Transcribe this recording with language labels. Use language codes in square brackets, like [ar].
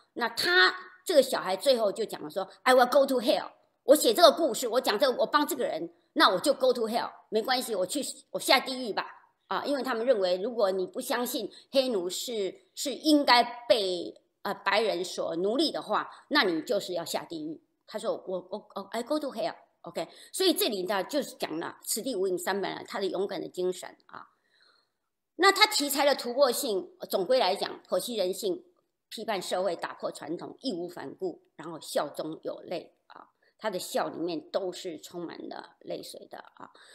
[zh] 那他这个小孩最后就讲了说 [en] I will go to hell， [zh] 我写这个故事，我讲这个，我帮这个人，那我就 go to hell， 没关系，我下地狱吧啊，因为他们认为如果你不相信黑奴是应该被白人所奴隶的话，那你就是要下地狱。他说我 [en] I go to hell， OK。 [zh] 所以这里呢就是讲了此地无银三百两，他的勇敢的精神啊。那他题材的突破性，总归来讲剖析人性，批判社会，打破传统，义无反顾，然后笑中有泪啊，他的笑里面都是充满了泪水的啊。